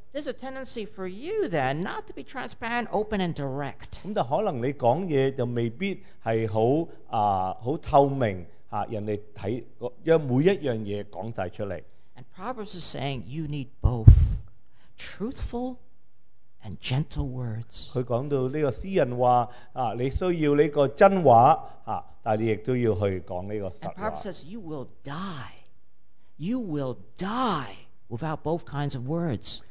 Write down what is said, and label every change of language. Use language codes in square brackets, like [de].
[en] There's a tendency for you then not to be transparent, open, and direct. [yue] 咁就可能你講嘢就未必係好透明，人哋睇，將每一樣嘢講曬出嚟。 [en] And Proverbs is saying you need both truthful and gentle words. [yue] 佢講到呢個詩人話，你需要呢個真話，但你亦都要去講呢個實話。 [en] And Proverbs says you will die. You will die without both kinds of words.